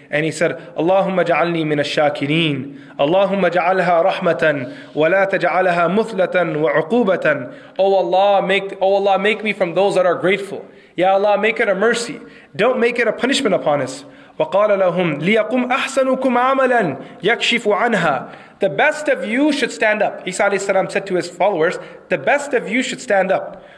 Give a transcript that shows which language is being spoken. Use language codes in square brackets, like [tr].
[en] And he said, [ar] اللهم اجعلني من الشاكرين. اللهم اجعلها رحمة ولا تجعلها مثلة وعقوبة. [en] Oh Allah, make me from those that are grateful. Ya Allah, make it a mercy. Don't make it a punishment upon us. [ar] وقال لهم ليقوم أحسنكم عملا يكشف عنها [en] The best of you should stand up. Isa alayhi salam said to his followers, the best of you should stand up.